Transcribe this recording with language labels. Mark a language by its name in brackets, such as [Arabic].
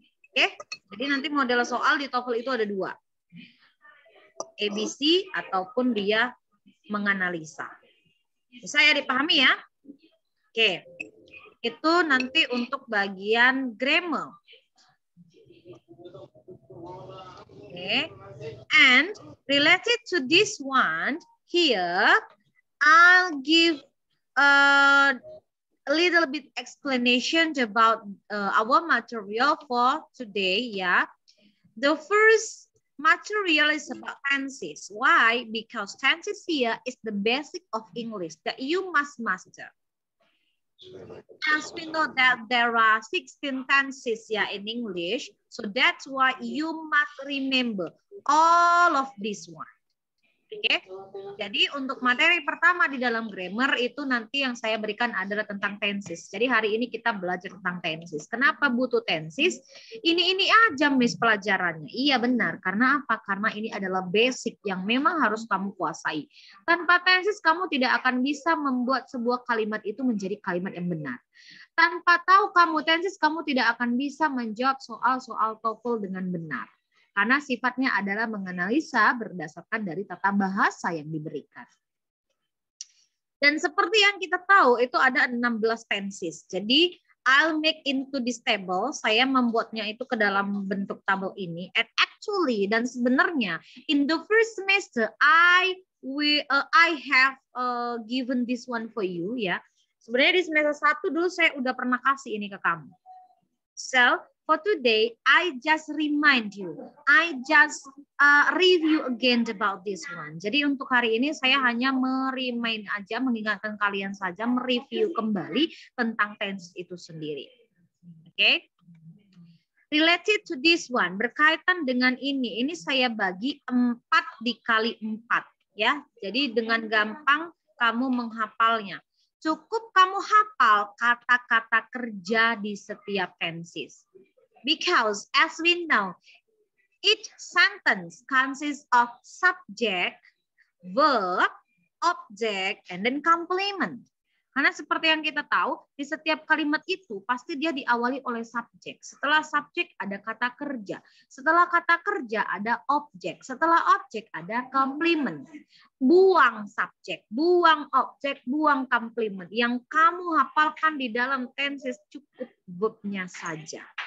[Indonesian] Oke? Jadi nanti model soal di TOEFL itu ada dua. ABC ataupun dia menganalisa. Bisa ya dipahami ya? Oke. Itu nanti untuk bagian grammar. Oke. [English] And related to this one here, I'll give a little bit explanation about our material for today, yeah. The first material is about tenses. Why? Because tenses here is the basic of English that you must master. As we know that there are 16 tenses here in English, so that's why you must remember all of this one. Okay? [Indonesian] Jadi untuk materi pertama di dalam grammar itu nanti yang saya berikan adalah tentang tenses. Jadi hari ini kita belajar tentang tenses. Kenapa butuh tenses? Ini-ini aja miss pelajarannya. Iya benar, karena apa? Karena ini adalah basic yang memang harus kamu kuasai. Tanpa tenses kamu tidak akan bisa membuat sebuah kalimat itu menjadi kalimat yang benar. Tanpa tahu kamu tenses, kamu tidak akan bisa menjawab soal-soal TOEFL dengan benar. Karena sifatnya adalah menganalisa berdasarkan dari tata bahasa yang diberikan. Dan seperti yang kita tahu, itu ada 16 tenses. Jadi, [English] I'll make into this table, [Indonesian] saya membuatnya itu ke dalam bentuk tabel ini. [English] And actually, [Indonesian] dan sebenarnya, [English] in the first semester, I have given this one for you. [Indonesian] Ya. Sebenarnya di semester 1 dulu saya udah pernah kasih ini ke kamu. [English] So, for today, I just remind you, I just review again about this one. [Indonesian] Jadi untuk hari ini saya hanya merimain aja, mengingatkan kalian saja, mereview kembali tentang tense itu sendiri. Okay? [English] Related to this one, [Indonesian] berkaitan dengan ini saya bagi 4 dikali 4. Ya? Jadi dengan gampang kamu menghafalnya. Cukup kamu hafal kata-kata kerja di setiap tenses. [English] Because as we know, each sentence consists of subject, verb, object, and then complement. [Indonesian] Karena seperti yang kita tahu, di setiap kalimat itu pasti dia diawali oleh subject. Setelah subject ada kata kerja. Setelah kata kerja ada object. Setelah object ada complement. Buang subject, buang object, buang complement. Yang kamu hafalkan di dalam tenses cukup verbnya saja.